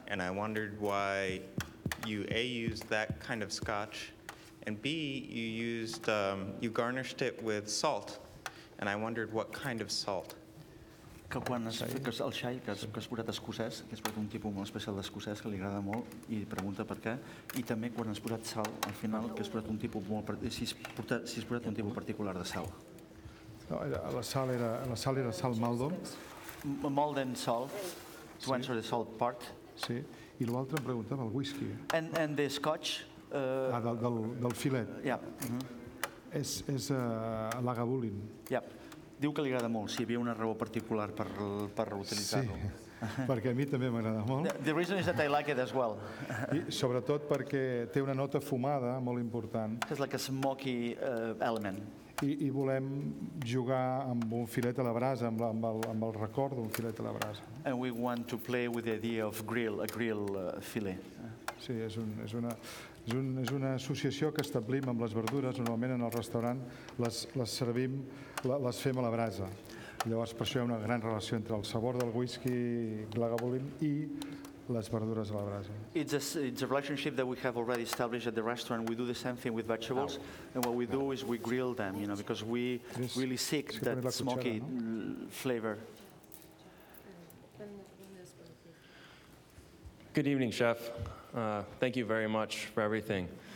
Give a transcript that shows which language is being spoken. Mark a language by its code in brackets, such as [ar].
[en] And I wondered why you A, used that kind of scotch, and B, you used, you garnished it with salt. And I wondered what kind of salt. [ca] Que quan es fica el xai, que has posat escocès, que és un tipus molt especial d'escocès, que li agrada molt, I pregunta per què. I també quan has posat sal, al final, que has posat un tipus molt, si has posat un tipus particular de sal. No, la sal era sal Maldon. [en] Molten salt, to [ca] sí. [en] Answer the salt part. [ca] Sí, I l'altre em preguntava el whisky. [en] And the scotch. [ca] Ah, del filet. [en] Yeah. Uh-huh. [ca] És Lagavulin. [en] Yeah. [ca] Diu que li agrada molt, si hi havia una raó particular per reutilitzar-ho. Sí, perquè a mi també m'agrada molt. [en] The reason is that I like it as well. [ca] I sobretot perquè té una nota fumada molt important. [en] It's like a smoky element. [ca] I volem jugar amb un filet a la brasa, amb el record d'un filet a la brasa. [en] And we want to play with the idea of grill, a grill filet. [ca] Sí, és una associació que establim amb les verdures. Normalment en el restaurant les servim, les fem a la brasa. Llavors per això hi ha una gran relació entre el sabor del whisky Lagavulin I les verdures a la brasa. [en] It's a relationship that we have already established at the restaurant. We do the same thing with vegetables, and what we do is we grill them, you know, because we really seek that smoky flavor. Good evening, chef. Thank you very much for everything.